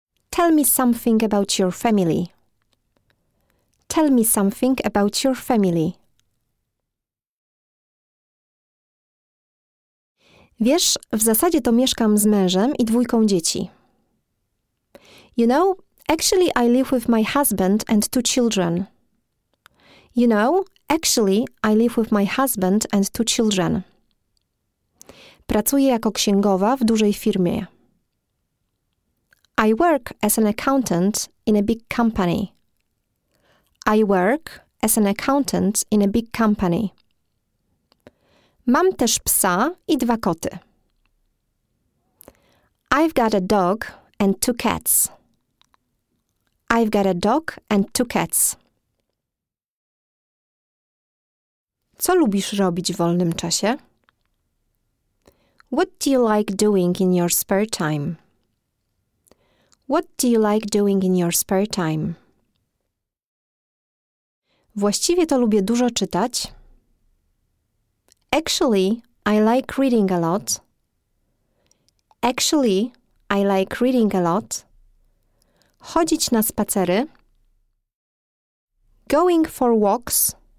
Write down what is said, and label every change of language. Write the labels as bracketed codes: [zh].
[en] Tell me something about your family. Tell me something about your family. [pl] Wiesz, w zasadzie to mieszkam z mężem i dwójką dzieci. [en] You know, actually I live with my husband and two children. You know, actually I live with my husband and two children. [pl] Pracuję jako księgowa w dużej firmie. [en] I work as an accountant in a big company. I work as an accountant in a big company. [pl] Mam też psa i dwa koty. [en] I've got a dog and two cats. I've got a dog and two cats. [pl] Co lubisz robić w wolnym czasie? [en] What do you like doing in your spare time? What do you like doing in your spare time? [pl] Właściwie to lubię dużo czytać. [en] Actually, I like reading a lot. Actually, I like reading a lot. [pl] Chodzić na spacery. [en] Going for walks.